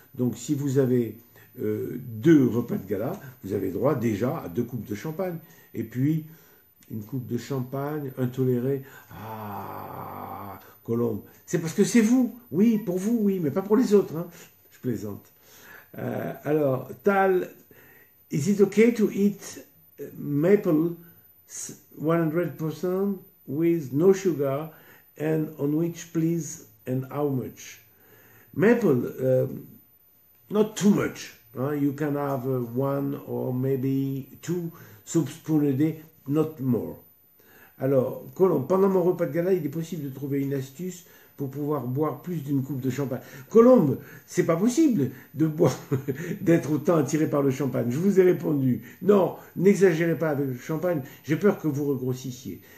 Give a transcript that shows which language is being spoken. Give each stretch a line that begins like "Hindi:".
French: Donc, si vous avez 2 repas de gala, vous avez droit déjà à 2 coupes de champagne. Et puis, une coupe de champagne, un toléré. Ah, Colombe. C'est parce que c'est vous. Oui, pour vous, oui, mais pas pour les autres. Hein. Je plaisante. Alors,
English: Tal, is it okay to eat maple 100% with no sugar and on which, please, and how much? Maple, not too much. You can have one or maybe two soupspoons a day, not more.
French: Alors, Colombe, pendant mon repas de gala, il est possible de trouver une astuce pour pouvoir boire plus d'une coupe de champagne. Colombe, c'est pas possible de boire, d'être autant attiré par le champagne. Je vous ai répondu. Non, n'exagérez pas avec le champagne. J'ai peur que vous regrossissiez.